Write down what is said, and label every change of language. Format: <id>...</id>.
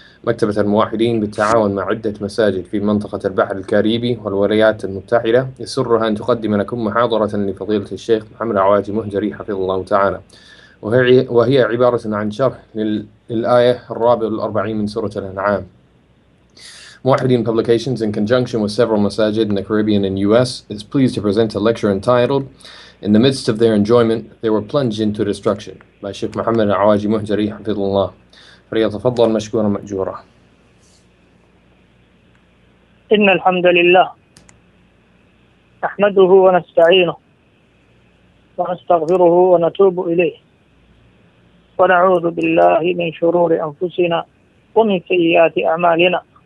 <ar>مكتبة الموحدين بالتعاون مع عدة مساجد في منطقة البحر الكاريبي والولايات المتحدة يسرها أن تقدم لكم محاضرة لفضيلة الشيخ محمد عواد مهجري حفظه الله تعالى، وهي عبارة عن شرح للآية 44 من سورة الأنعام.</ar> <en>Mawahideen Publications, in conjunction with several masajid in the Caribbean and U.S., is pleased to present a lecture entitled, In the Midst of Their Enjoyment, They Were Plunged into Destruction, by Sheikh Muhammad Al-Awaji Muhjari, hafidhullah.</en> <ar>فليتفضل مشكورا مأجورا. إن الحمد لله نحمده ونستعينه ونستغفره ونتوب إليه ونعوذ بالله من شرور أنفسنا ومن سيئات أعمالنا.</ar>